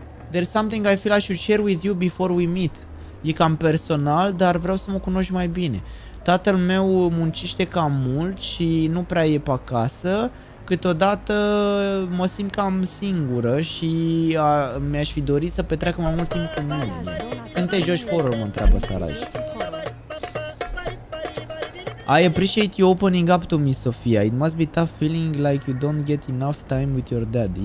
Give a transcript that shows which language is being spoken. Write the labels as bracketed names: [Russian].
[English] There's something I feel I should share with you before we meet. [Romanian] E cam personal, dar vreau să mă cunoști mai bine. Tatăl meu muncește cam mult și nu prea e pe acasă. Câteodată mă simt cam singură și mi-aș fi dorit să petreacă mai mult timp cu mine. Când te joci horror, mă întreabă Saraj. [English] I appreciate you opening up to me, Sofia. It must be tough feeling like you don't get enough time with your dad.